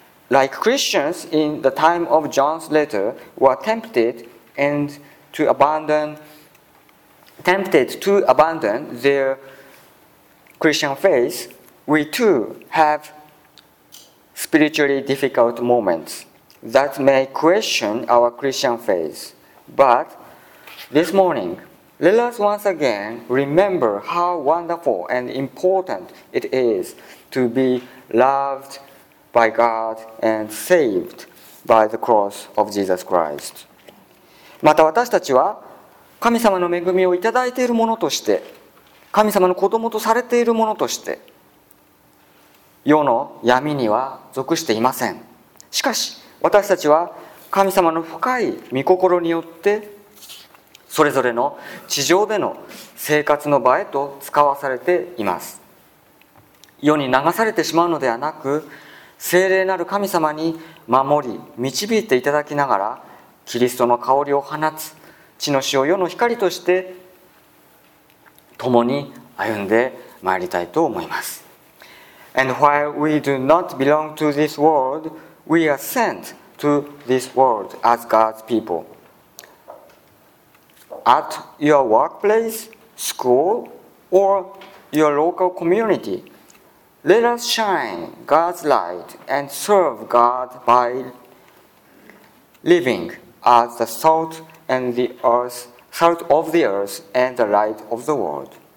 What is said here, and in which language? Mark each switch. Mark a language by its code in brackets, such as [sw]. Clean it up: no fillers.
[en] Like Christians in the time of John's letter were tempted to abandon their Christian faith, we too have spiritually difficult moments that may question our Christian faith. ButThis morning, let us once again remember how wonderful and important it is to be loved by God and saved by the cross of Jesus Christ. [ja] また私たちは神様の恵みをいただいているものとして、神様の子供とされているものとして、世の闇には属していません。しかし私たちは神様の深い御心によってそれぞれの地上での生活の場へと使わされています。世に流されてしまうのではなく、聖霊なる神様に守り、導いていただきながら、キリストの香りを放つ、地の塩、世の光として、共に歩んでまいりたいと思います。 [en] And while we do not belong to this world, we are sent to this world as God's people. At your workplace, school, or your local community, let us shine God's light and serve God by living as the salt and the earth, salt of the earth and the light of the world.